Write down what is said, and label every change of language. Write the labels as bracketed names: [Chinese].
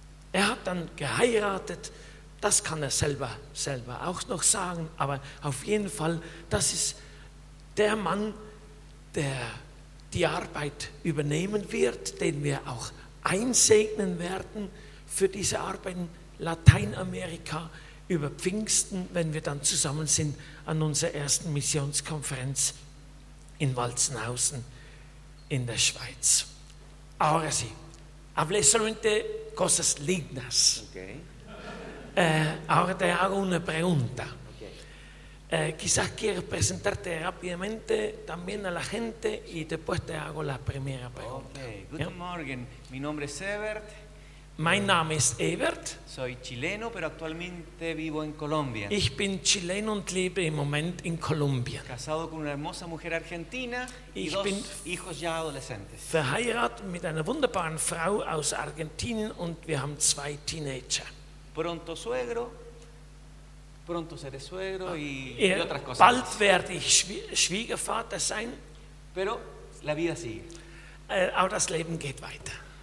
[German] Er hat dann geheiratet, das kann er selber auch noch sagen, aber auf jeden Fall, das ist der Mann, der die Arbeit übernehmen wird, den wir auch einsegnen werden für diese Arbeit in Lateinamerika über Pfingsten, wenn wir dann zusammen sind an unserer ersten Missionskonferenz in Walzenhausen in der Schweiz. [Spanish] Ahora sí, hablé solamente cosas lindas. Ahora te hago una pregunta. Quizás quieres presentarte rápidamente también a la gente y después te hago la primera pregunta. Okay. [German] Guten Morgen, [Spanish] mi nombre es Evert. [German] Mein Name ist Evert. [Spanish] Soy chileno, pero actualmente vivo en Colombia. [German] Ich bin chileno und lebe im Moment in Kolumbien. [Spanish] Casado con una hermosa mujer argentina y [German] ich [Spanish] dos [German] bin [Spanish] hijos ya adolescentes. [German] Verheiratet mit einer wunderbaren Frau aus Argentinien und wir haben 2 Teenager. [Spanish] Pronto suegro. Pronto seré suegro y otras cosas. [German] Bald werde ich Schwiegervater sein. [Spanish] Pero la vida sigue. [German] Aber das Leben geht weiter.